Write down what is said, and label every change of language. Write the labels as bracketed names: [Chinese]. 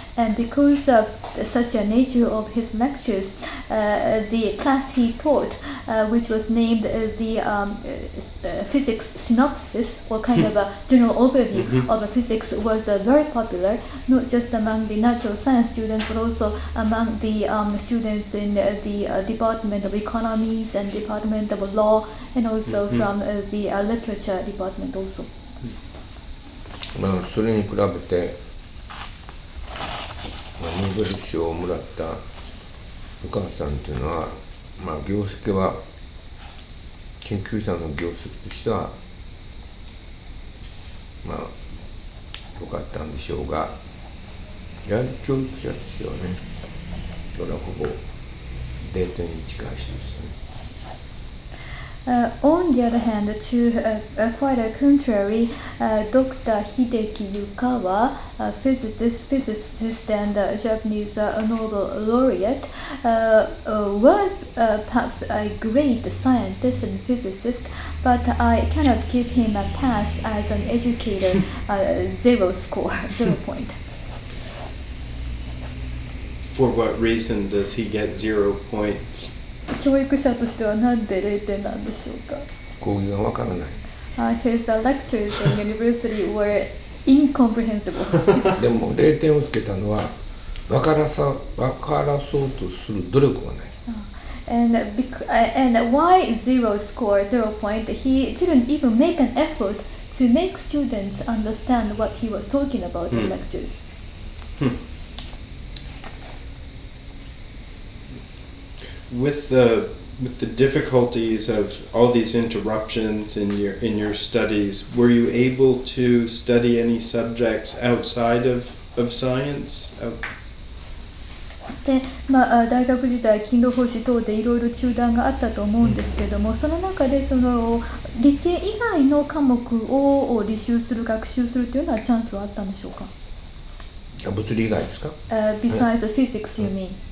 [English] And because of such a nature of his lectures, the class he taught, which was named the physics synopsis, or kind of a general overview of physics, was very popular, not just among the natural science students, but also among the students in the Department of Economics and Department of Law, and also from the Literature Department also. [Japanese] それに比べてノーベル賞をもらったお母さんというのは、まあ、業績は研究者の業績としては、まあ、よかったんでしょうが、やはり教育者としてはね、それはほぼ0点に近い人ですね。 [English] On the other hand, to quite a contrary, Dr. Hideki Yukawa, physicist and Japanese Nobel laureate, was perhaps a great scientist and physicist, but I cannot give him a pass as an educator, zero score, 0 point. For what reason does he get 0 points? [Japanese] 教育者としてはなんで0点なんでしょうか。講義がわからない。 [English] His lectures in university were incomprehensible. [Japanese] でも0点をつけたのは分からそうとする努力がない。 [English] And why zero score, zero point? He didn't even make an effort to make students understand what he was talking about in lectures. With the difficulties of all these interruptions in your studies, were you able to study any subjects outside of science? [Japanese] で、まあ、大学時代勤労奉仕等でいろいろ中断があったと思うんですけども、その中でその理系以外の科目を履修する学習するというのはチャンスはあったんでしょうか。物理以外ですか。 [English] Besides the physics, you mean?